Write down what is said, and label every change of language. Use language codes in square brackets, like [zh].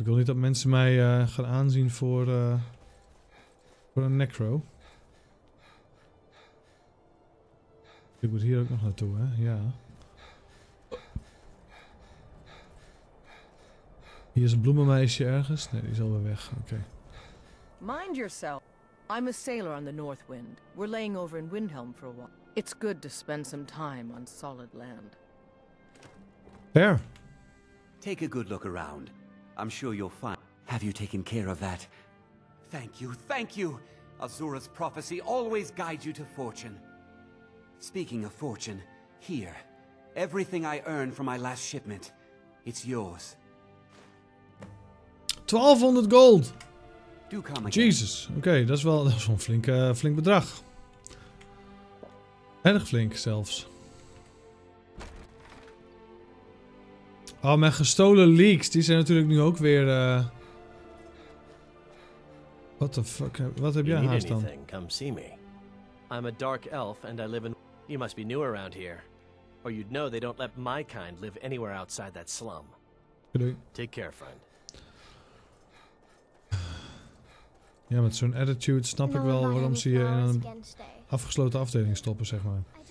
[nl] Ik wil niet dat mensen mij gaan aanzien voor een necro. Ik moet hier ook nog naartoe, hè? Ja. Hier is een bloemenmeisje ergens. Nee, die is alweer weg. Oké. [en] Mind yourself. I'm a sailor on the North Wind. We're laying over in Windhelm for a while. It's good to spend some time on solid land. There. Take a good look around. I'm sure you'll find. Have you taken care of that? Thank you, thank you. Azura's prophecy always guides you to fortune. Speaking of fortune, here. Everything I earned from my last shipment, it's yours. 1200 gold. Do come again. Jesus. Okay, that's [nl] een flink bedrag. Erg flink zelfs. Oh, mijn gestolen leaks. Die zijn natuurlijk nu ook weer... [en] What the fuck? [nl] Wat heb jij haast dan? [en] Come see me. I'm a dark elf and I live in... You must be new around here. Or you'd know they don't let my kind live anywhere outside that slum. [nl] Doei. [en] Take care, friend. [nl] Ja, met zo'n attitude snap ik wel waarom ze je in een afgesloten afdeling stoppen, zeg maar.